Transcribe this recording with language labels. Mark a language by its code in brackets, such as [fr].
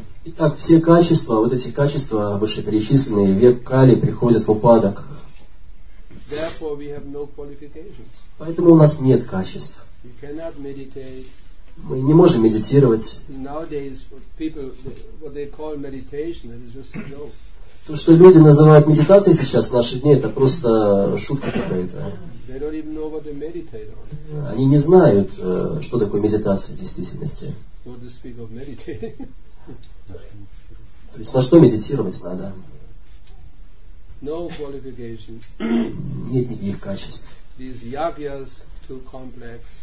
[ru] Итак, все качества, вот эти качества, вышеперечисленные, век Кали, приходят в упадок. [en] Therefore, we have no qualifications. [ru] Поэтому у нас нет качеств. [en] We cannot meditate. [ru] Мы не можем медитировать. [en] Nowadays, people, what they call meditation, it is just a joke. [ru] То, что люди называют медитацией сейчас в наши дни, это просто шутка какая-то. [en] They don't even know what they meditate on. [ru] Они не знают, что такое медитация в действительности. [en] What to speak of meditating. [ru] То есть на что медитировать надо? [en] No qualification. [ru] Нет никаких качеств. [en] These yagyas too complex.